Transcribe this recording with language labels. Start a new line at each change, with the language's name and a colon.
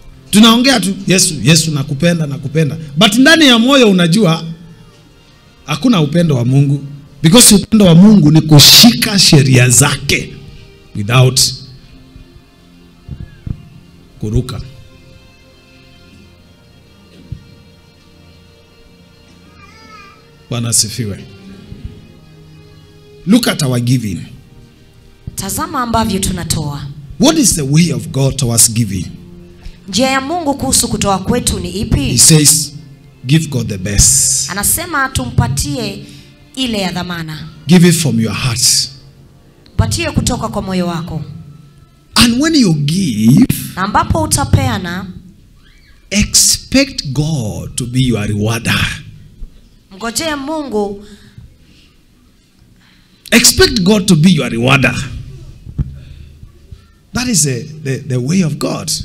Swahili: Tunaongea tu Yesu, Yesu nakupenda, nakupenda. But ndani ya moyo unajua hakuna upendo wa Mungu, because upendo wa Mungu ni kushika sheria zake without kuruka. Bwana sifiwe.
English: Look at our giving.
Swahili: Tazama ambavyo tunatoa.
English: What is the way of God towards giving?
Swahili: Njia ya Mungu kuhusu kutoa kwetu ni ipi?
English: He says, give God the best.
Swahili: Anasema tumpatie ile ya dhamana.
English: Give it from your heart.
Swahili: Patie kutoka kwa moyo wako.
English: And when you give,
Swahili: na ambapo utapeana,
English: expect God to be your rewarder.
Swahili: Mgojee Mungu.
English: Expect God to be your rewarder. That is the way of God.